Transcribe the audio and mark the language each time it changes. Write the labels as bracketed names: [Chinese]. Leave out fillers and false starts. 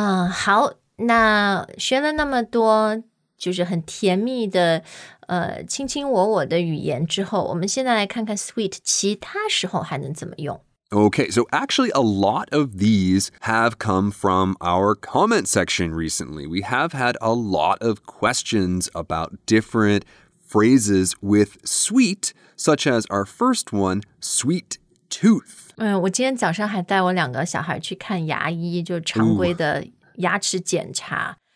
[Chinese] 好，那学了那么多就是很甜蜜的卿卿我我的语言之后，我们现在来看看 sweet 其他时候还能怎么用。 [English] Okay, so actually a lot of these have come from our comment section recently. We have had a lot of questions about different... phrases with sweet, such as our first one, sweet tooth. [Chinese] 我今天早上还带我两个小孩去看牙医，就常规的牙齿检查。